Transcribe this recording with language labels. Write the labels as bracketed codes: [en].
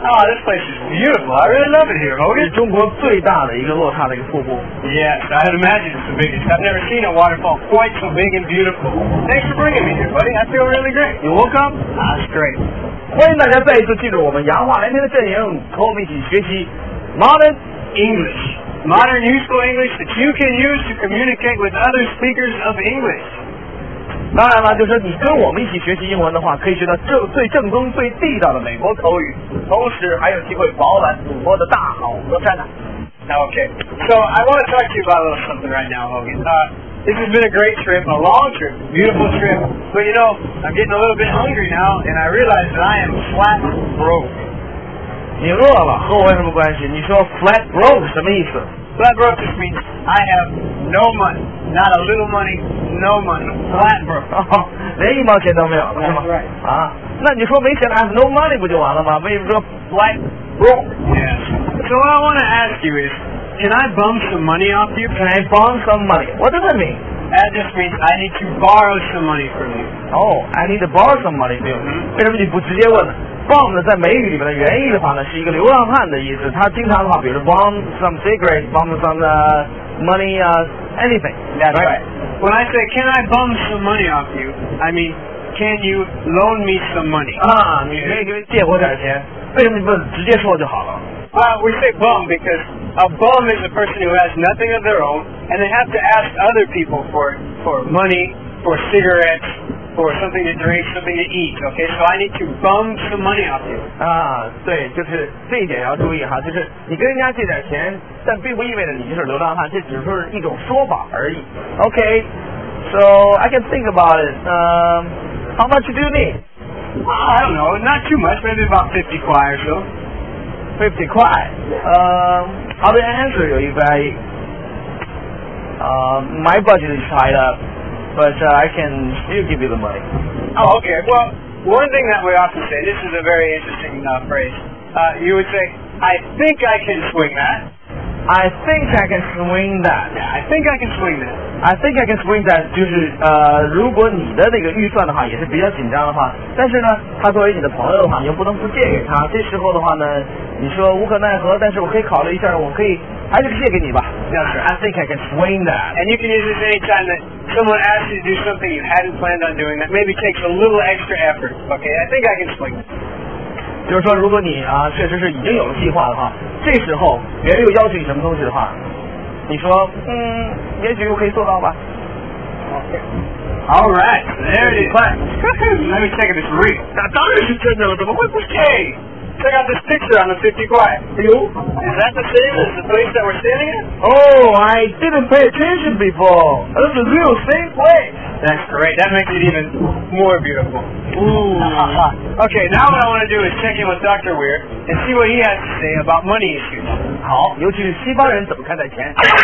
[zh] 那我这腿比如说这那么些我给中国最大的一个落差的一个瀑布。 [en] Yes, I had imagined it's the biggest. I've never seen a waterfall quite so big and beautiful. Thanks for bringing me here, buddy. I feel really great. You're welcome. That's great. [zh] 欢迎大家再一次记住我们洋话连篇的阵营，和我们一起学习 Modern [en] English. Modern useful English that you can use to communicate with other speakers of English. [zh] 当然了，就是你跟我们一起学习英文的话，可以学到最正宗、最地道的美国口语，同时还有机会饱览祖国的大好河山呢。 [en] Okay, so I want to talk to you about a little something right now, Logan. This has been a great trip, a long trip, beautiful trip. But you know, I'm getting a little bit hungry now, and I realize that I am flat broke. [zh] 你饿了，和我有什么关系？你说 flat broke 什么意思？ [en] Flat broke just means I have no money, not a little money, no money, flat broke. [zh] 连一毛钱都没有，是吗？ [en] Right. [zh] 啊，那你说没钱 ， [en] I have no money [zh] 不就完了吗？为什么说 [en] flat broke? Yes. So what I want to ask you is, can I bum some money off you? Can I bum some money? What does that mean? That just means I need to borrow some money from you. Oh, I need to borrow some money from you.、 Mm-hmm. [zh] 为什么你不直接问呢？ Bum 呢，在美语里面的原意的话呢，是一个流浪汉的意思。他经常的话，比如 [en] bum some cigarettes, bum some money, anything. That's right. When I say, can I bum some money off you? I mean, can you loan me some money? [zh] 啊，你可以借我点钱。为什么你不直接说就好了？ [en] We say bum because a bum is a person who has nothing of their own, and they have to ask other people for money, for cigarettes. For something to drink, something to eat, okay? So I need to bum some money off you. [zh] 啊，对，就是这一点要注意哈，就是你跟人家借点钱，但并不意味着你就是流浪汉，这只是一种说法而已。 [en] Okay, so I can think about it. How much do you need? I don't know, not too much, maybe about 50 kwai or so. 50 kwai? How do you answer you, Yubai? My budget is tied up. But I can still give you the money. Oh, okay. Well, one thing that we often say, this is a very interesting phrase. You would say, I think I can swing that. I think I can swing that. Yeah, I think I can swing that. I think I can swing that. [zh] 就是如果你的那个预算的话也是比较紧张的话，但是呢，他作为你的朋友的话，你又不能不借给他。这时候的话呢，你说无可奈何，但是我可以考虑一下，我可以还是借给你吧。 [en] Yes, I think I can swing that. And you can use this any time that someone asks you to do something you hadn't planned on doing that maybe takes a little extra effort. Okay, I think I can swing that. [zh] 就是说，如果你啊确实是已经有了计划的话，这时候别人又要求你什么东西的话，你说也许我可以做到吧。 [en] Okay. All right, there it is. Quiet. Let me check if it's real. [zh] 那当然是真的了，怎么会不是 [en] ？Hey, check out this picture on the 50 quiet. You? Is that the same as the place that we're standing in? Oh, I didn't pay attention before. That's the real same place. That's great. That makes it even more beautiful. Ooh. Okay, now what I want to do is check in with Dr. Weir and see what he has to say about money issues. [zh] 好，尤其是西方人怎么看待钱。